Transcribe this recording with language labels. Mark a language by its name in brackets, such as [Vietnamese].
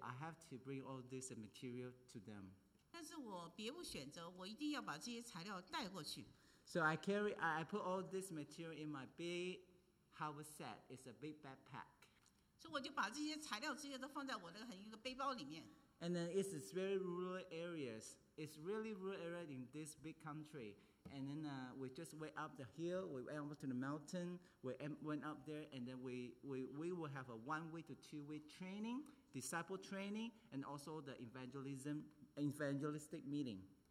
[English] I have to bring all this material to them. [Chinese] 但是我别无选择，我一定要把这些材料带过去。 [English] So I carry, I put all this material in my big haversack. It's a big backpack. [Chinese] 所以我就把这些材料这些都放在我的很一个背包里面。 [English] And then it's very rural areas. It's really rural area in this big country. And then we just went up the hill, we went up to the mountain, we went up there, and then we will have a 1 week to 2 week training, disciple training, and also the evangelistic meeting.